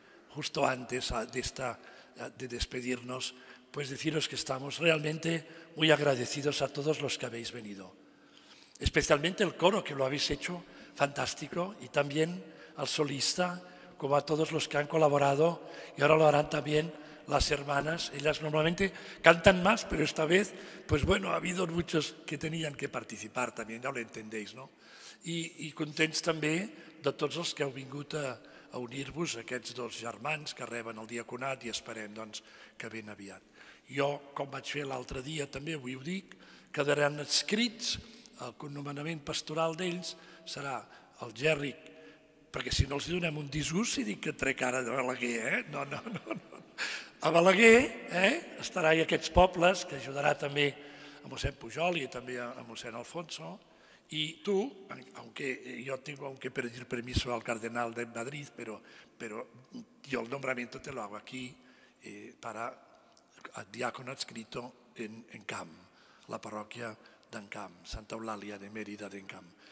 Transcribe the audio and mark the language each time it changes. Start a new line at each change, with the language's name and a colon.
Spanish: Justo antes de despedirnos, pues deciros que estamos realmente muy agradecidos a todos los que habéis venido, especialmente el coro, que lo habéis hecho fantástico, y también al solista, como a todos los que han colaborado, y ahora lo harán también las hermanas. Ellas normalmente cantan más, pero esta vez, pues bueno, ha habido muchos que tenían que participar también, ya lo entendéis, ¿no?
Catalan: I contents també de tots els que heu vingut a unir-vos, aquests dos germans que reben el diaconat, i esperem doncs que ben aviat. Jo, com vaig fer l'altre dia, també avui ho dic, quedaran adscrits, el connomenament pastoral d'ells serà el Gerri, perquè si no els donem un disgust i dic que trec ara de Balaguer, no. A Balaguer estarà, i aquests pobles, que ajudarà també a mossèn Pujol i també a mossèn Alfonso.
Spanish: I tu, aunque yo tengo que pedir permiso al cardenal de Madrid, pero yo el nombramiento te lo hago aquí para diácono adscrito en Encamp, la parroquia d'Encamp, Santa Eulàlia de Mérida d'Encamp.